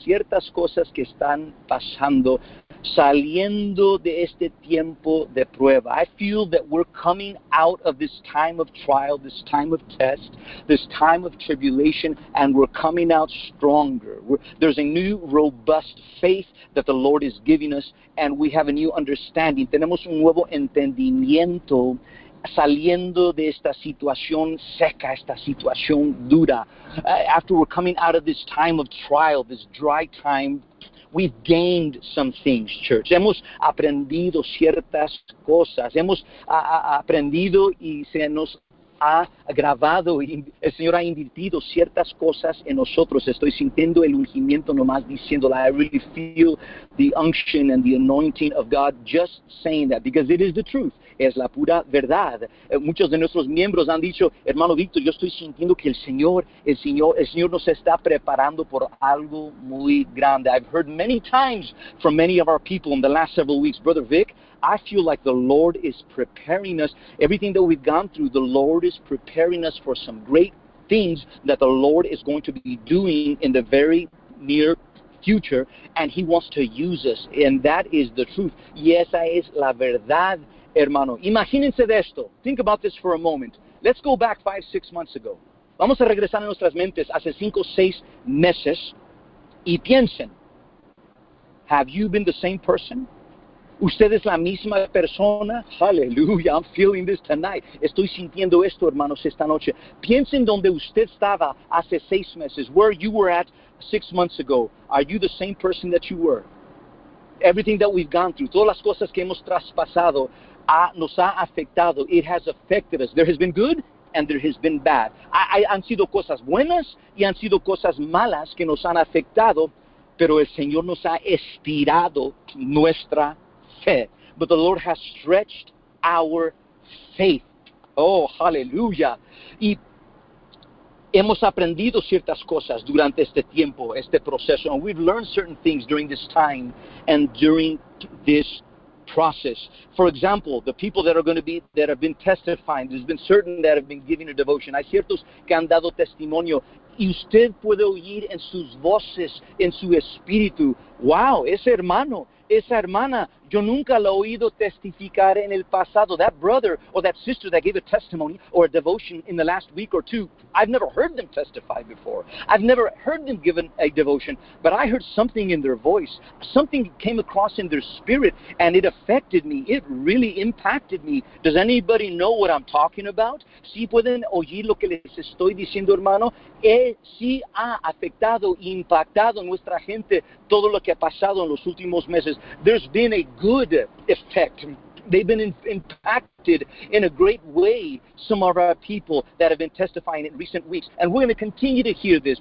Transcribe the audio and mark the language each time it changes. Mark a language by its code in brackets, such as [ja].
[es] Ciertas cosas que están pasando saliendo de este tiempo de prueba. [en] I feel that we're coming out of this time of trial, this time of test, this time of tribulation, and we're coming out stronger. There's a new robust faith that the Lord is giving us, and we have a new understanding. [es] Tenemos un nuevo entendimiento saliendo de esta situación seca, esta situación dura. [en] After we're coming out of this time of trial, this dry time, we've gained some things, church. [es] Hemos aprendido ciertas cosas. Hemos aprendido y se nos ha grabado y el Señor ha invertido ciertas cosas en nosotros. Estoy sintiendo el ungimiento nomás diciéndola. [en] I really feel the unction and the anointing of God just saying that because it is the truth. [es] Es la pura verdad. Muchos de nuestros miembros han dicho, hermano Víctor, yo estoy sintiendo que el Señor nos está preparando por algo muy grande. [en] I've heard many times from many of our people in the last several weeks, Brother Vic, I feel like the Lord is preparing us. Everything that we've gone through, the Lord is preparing us for some great things that the Lord is going to be doing in the very near future, and He wants to use us, and that is the truth. [es] Y esa es la verdad, hermano. Imagínense de esto. [en] Think about this for a moment. Let's go back 5-6 months ago. [es] Vamos a regresar a nuestras mentes hace 5-6 meses y piensen, [en] have you been the same person? [es] ¿Usted es la misma persona? Hallelujah, [en] I'm feeling this tonight. [es] Estoy sintiendo esto, hermanos, esta noche. Piensen donde usted estaba hace 6 meses, [en] where you were at 6 months ago. Are you the same person that you were? Everything that we've gone through, [es] todas las cosas que hemos traspasado, [en] nos ha afectado. It has affected us. There has been good and there has been bad. [es] Han sido cosas buenas y han sido cosas malas que nos han afectado, pero el Señor nos ha estirado nuestra fe. [en] But the Lord has stretched our faith. [es] Oh, hallelujah. Y hemos aprendido ciertas cosas durante este tiempo, este proceso. [en] And we've learned certain things during this time and during this process. For example, the people that have been testifying, there's been certain that have been giving a devotion. [es] Hay ciertos que han dado testimonio. Y usted puede oír en sus voces, en su espíritu, wow, ese hermano, esa hermana, yo nunca la he oído testificar en el pasado. [en] That brother or that sister that gave a testimony or a devotion in the last week or two, I've never heard them testify before. I've never heard them give a devotion, but I heard something in their voice. Something came across in their spirit, and it affected me. It really impacted me. Does anybody know what I'm talking about? [es] ¿Sí pueden oír lo que les estoy diciendo, hermano? Sí ha afectado, impactado nuestra gente todo lo que ha pasado en los últimos meses. [en] There's been a good effect. They've been impacted in a great way, some of our people that have been testifying in recent weeks. And we're going to continue to hear this.